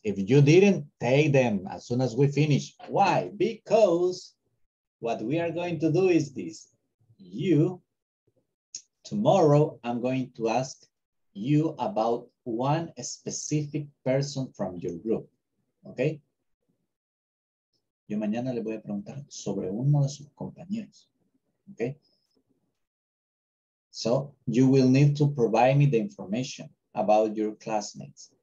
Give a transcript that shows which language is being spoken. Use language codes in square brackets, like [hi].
[en] If you didn't, take them as soon as we finish. Why? Because what we are going to do is this. You, tomorrow, I'm going to ask you about one specific person from your group, okay? [es] Yo mañana le voy a preguntar sobre uno de sus compañeros, okay? [en] So you will need to provide me the information about your classmates.